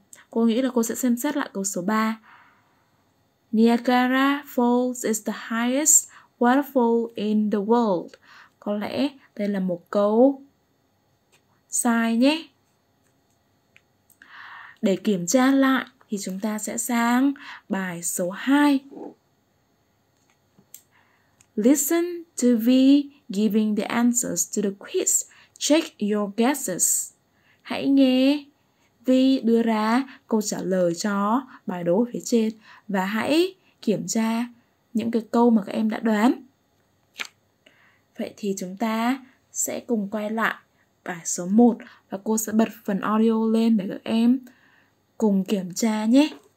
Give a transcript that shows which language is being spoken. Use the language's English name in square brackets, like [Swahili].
[Vietnamese] Cô nghĩ là cô sẽ xem xét lại câu số 3. [English] Niagara Falls is the highest waterfall in the world. [Vietnamese] Có lẽ đây là một câu sai nhé. Để kiểm tra lại thì chúng ta sẽ sang bài số 2. [English] Listen to V giving the answers to the quiz. Check your guesses. [Vietnamese] Hãy nghe V đưa ra câu trả lời cho bài đố phía trên và hãy kiểm tra những cái câu mà các em đã đoán. Vậy thì chúng ta sẽ cùng quay lại bài số 1 và cô sẽ bật phần audio lên để các em cùng kiểm tra nhé.